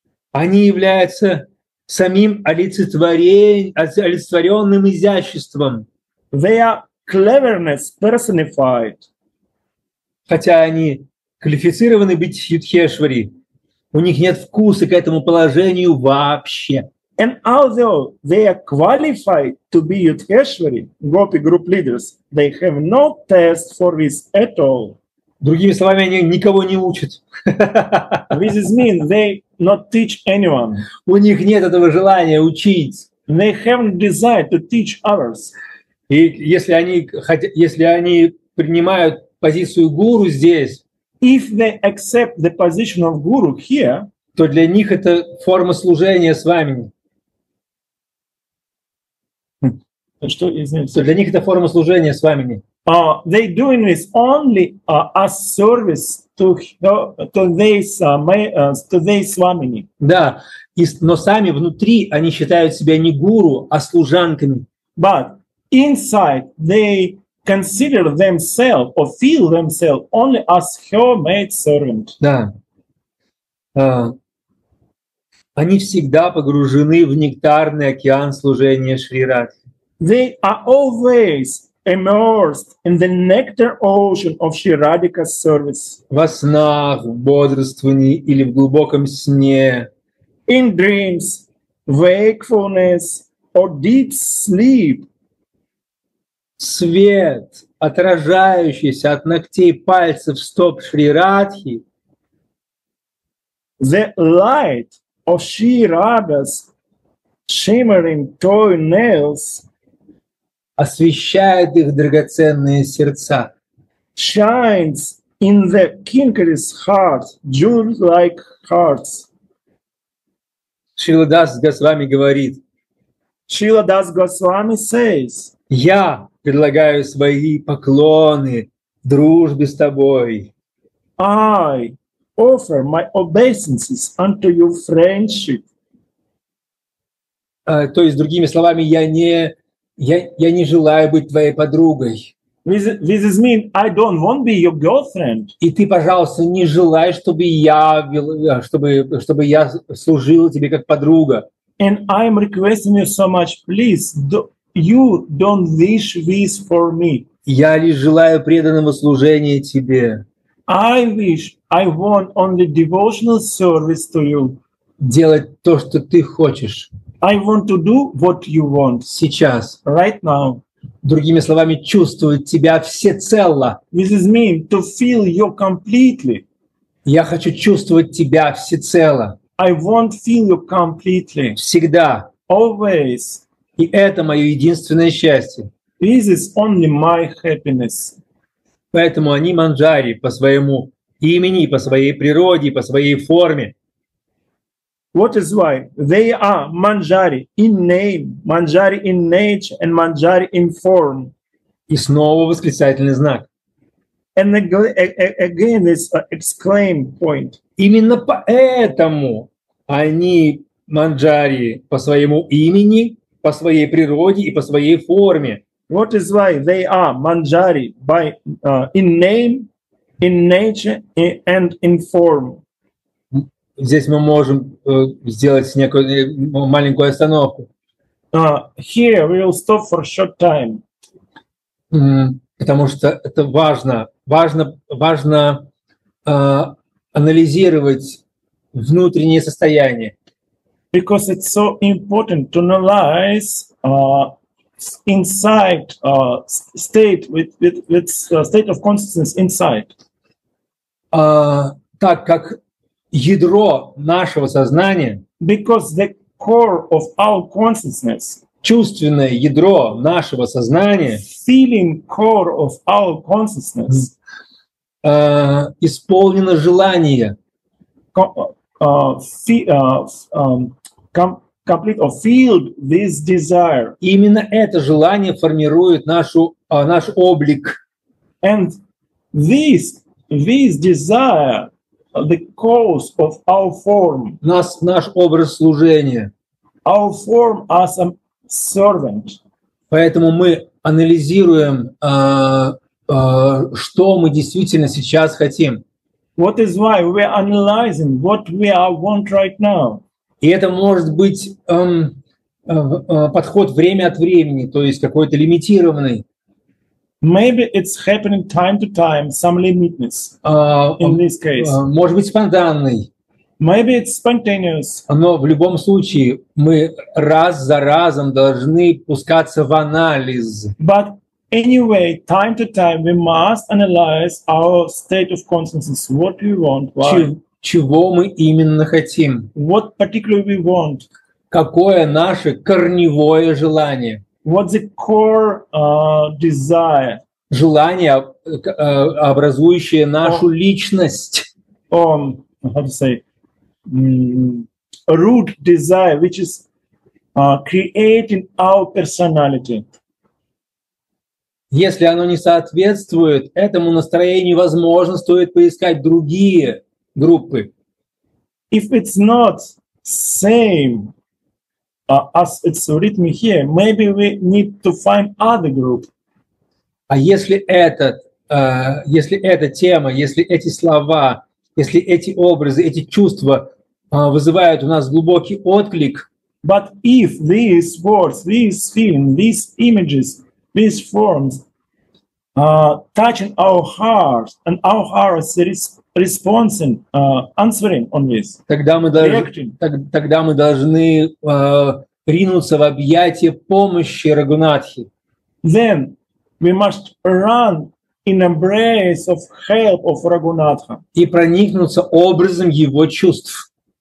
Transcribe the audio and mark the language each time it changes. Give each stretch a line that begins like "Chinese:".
Russian: Они являются самим олицетворенным изяществом.
English: They are cleverness personified.
Russian: Хотя они квалифицированы быть Юдхешвари, у них нет вкуса к этому положению вообще.
English: And although they are qualified to be Yudheshwari, Gopi group leaders, they have no taste for this at all.
Russian: Другими словами, они никого не учат.
English: This is mean they not teach anyone.
Russian: У них нет этого желания учить.
English: They haven't desire to teach others.
Russian: И если они принимают позицию гуру здесь,
English: if they accept the position of guru here,
Russian: то для них это форма служения с вами. Что, извините, для них это форма служения с вами.
English: They doing this only as service to their swamini.
Russian: Да, но сами внутри они считают себя не гуру, а служанками.
English: But inside they consider themselves or feel themselves only as her maid servant.
Russian: Да. Они всегда погружены в нектарный океан служения Шри Радхе.
English: They are always immersed in the nectar ocean of Shri Radhika's service.
Russian: Во снах, в бодрствовании или в глубоком сне.
English: In dreams, wakefulness or deep sleep.
Russian: Свет, отражающийся от ногтей пальцев стоп Шри Радхи.
English: The light of Shri Radha's shimmering toy nails
Russian: освещает их драгоценные сердца.
English: Shines in the kinkari's heart, jewel-like hearts.
Russian: Шрила Дас Госвами говорит.
English: Шрила Дас Госвами says.
Russian: Я предлагаю свои поклоны дружбе с тобой.
English: I offer my obeisances unto your friendship.
Russian: То есть, другими словами, я не желаю быть твоей подругой.
English: This is mean I don't want to be your girlfriend.
Russian: И ты, пожалуйста, не желай, чтобы я служил тебе как подруга.
English: And I'm requesting you so much, please, you don't wish this for me.
Russian: Я лишь желаю преданного служения тебе.
English: I wish, I want only devotional service to you.
Russian: Делать то, что ты хочешь.
English: I want to do what you want.
Russian: Сейчас.
English: Right now.
Russian: Другими словами, чувствовать тебя всецело.
English: This is mean to feel you completely.
Russian: Я хочу чувствовать тебя всецело.
English: I want feel you completely.
Russian: Всегда.
English: Always.
Russian: И это мое единственное счастье.
English: This is only my happiness.
Russian: Поэтому они манджари по своему имени, по своей природе, по своей форме.
English: What is why they are manjari in name, manjari in nature, and manjari in form.
Russian: И снова восклицательный знак.
English: And again this exclaim point.
Russian: Именно поэтому они манджари по своему имени, по своей природе и по своей форме.
English: What is why they are manjari by in name, in nature, and in form.
Russian: Здесь мы можем сделать некую маленькую остановку.
English: Here we will stop for a short time.
Russian: Потому что это важно анализировать внутреннее состояние.
English: Because it's so important to analyze inside state with state of consciousness inside.
Russian: Так как ядро нашего сознания.
English: Because the core of our consciousness.
Russian: Чувственное ядро нашего сознания.
English: Feeling core of our consciousness.
Russian: Исполнено желание.
English: Complete or filled this desire.
Russian: Именно это желание формирует нашу наш облик.
English: And this desire, the cause of our form.
Russian: Наш образ служения.
English: Our form as a servant.
Russian: Поэтому мы анализируем, что мы действительно сейчас хотим.
English: What is why we are analyzing what we are want right now.
Russian: И это может быть подход время от времени, то есть какой-то лимитированный.
English: Maybe it's happening time to time, some limitness in this case.
Russian: Может быть спонтанный.
English: Maybe it's spontaneous.
Russian: Но в любом случае мы раз за разом должны пускаться в анализ.
English: But anyway, time to time we must analyze our state of consciousness, what we want, why.
Russian: Чего мы именно хотим?
English: What particularly we want?
Russian: Какое наше корневое желание?
English: What's the core desire?
Russian: Желание, образующее нашу личность.
English: How to say? Root desire, which is creating our personality.
Russian: Если оно не соответствует этому настроению, возможно, стоит поискать другие группы.
English: If it's not same as it's written here, maybe we need to find other group.
Russian: А если эта тема, если эти слова, если эти образы, эти чувства вызывают у нас глубокий отклик.
English: But if these words, these feelings, these images, these forms touching our hearts and our hearts responding, answering on this.
Russian: Тогда мы должны ринуться в объятия помощи Рагунатхи.
English: Then we must run in embrace of help of Рагунатха.
Russian: И проникнуться образом его чувств.